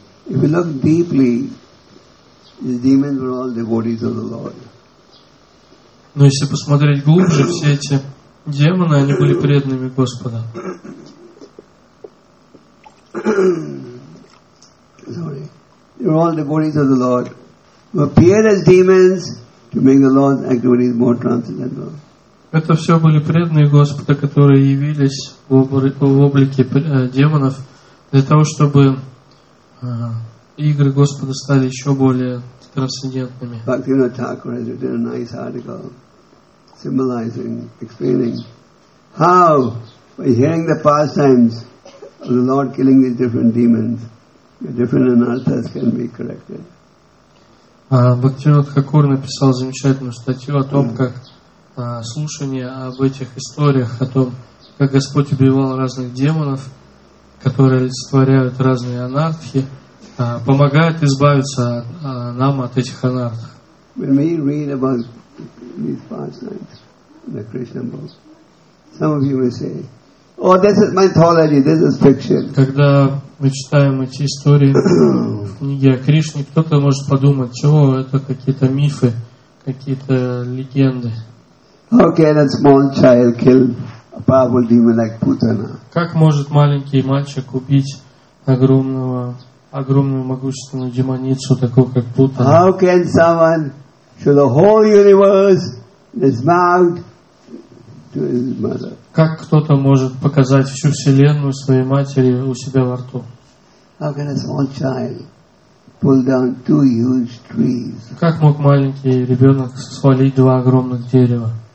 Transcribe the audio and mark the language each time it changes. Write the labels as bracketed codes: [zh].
[en] If we look deeply, the demons were all devotees of the Lord. [ru] Но если посмотреть глубже, все эти демоны, они были преданными Господа. Это все были преданные Господа, которые явились в облике демонов для того, чтобы игры Господа стали еще более трансцендентными. [en] Symbolizing, explaining how by hearing the pastimes of the Lord killing these different demons, your different anarthas can be corrected. [ru] Бхактивинод Хакур написал замечательную статью о том, как слушание об этих историях, о том, как Господь убивал разных демонов, которые олицетворяют разные анартхи, помогает избавиться нам от этих анартх. [en] When we read about these pastimes, the Krishna book. Some of you may say, "Oh, this is mythology. This is fiction." [ru] Когда мы читаем эти истории в книге о Кришне, кто-то может подумать, что это какие-то мифы, какие-то легенды. [en] How can a small child kill a powerful demon like Putana? [ru] Как может маленький мальчик убить огромную могущественную демоницу такую как Путана? [en] How can someone show the whole universe his mouth? [ru] Как кто-то может показать всю вселенную своей матери у себя во рту? Как мог маленький ребенок свалить два огромных дерева?